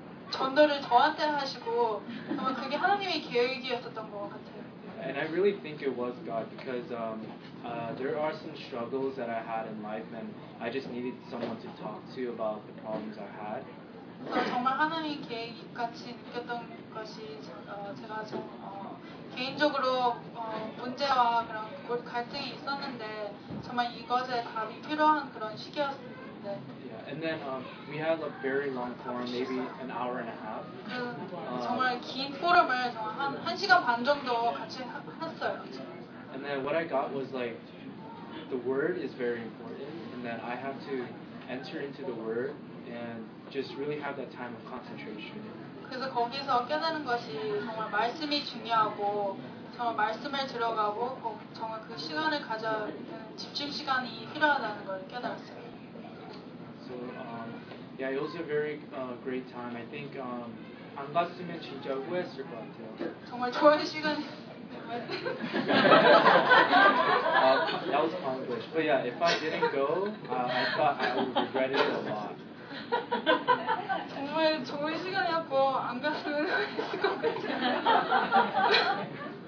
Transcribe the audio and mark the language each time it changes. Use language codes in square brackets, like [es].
[ko] 전도를 저한테 하시고 정말 그게 하나님의 계획이었었던 것 같아요. [en] And I really think it was God because there are some struggles that I had in life and I just needed someone to talk to about the problems I had. [ko] 정말 하나님 계획같이 느꼈던 것이 제가 좀 개인적으로 문제와 그런 갈등이 있었는데 정말 이것에 답이 필요한 그런 시기였는데. [en] Yeah, and then we had a very long forum, maybe an hour and a half. [ko] 정말 긴 포럼을 정말 한 시간 반 정도 같이 했어요. [en] And then what I got was like the word is very important, and that I have to enter into the word and just really have that time of concentration. [ko] 그래서 거기서 깨달은 것이 정말 말씀이 중요하고 정말 말씀을 들어가고 정말 그 시간을 가져 집중 시간이 필요하다는 걸 깨달았어요. [en] So yeah, it was a very great time. I think [ko] 안 갔으면 진짜 후회했을 것 같아요. 정말 좋은 시간. [en] that was Konglish. But yeah, if I didn't go, I thought I would regret it a lot. [ko] 정말 좋은 시간이었고 안 갔으면 했을 것 같아요.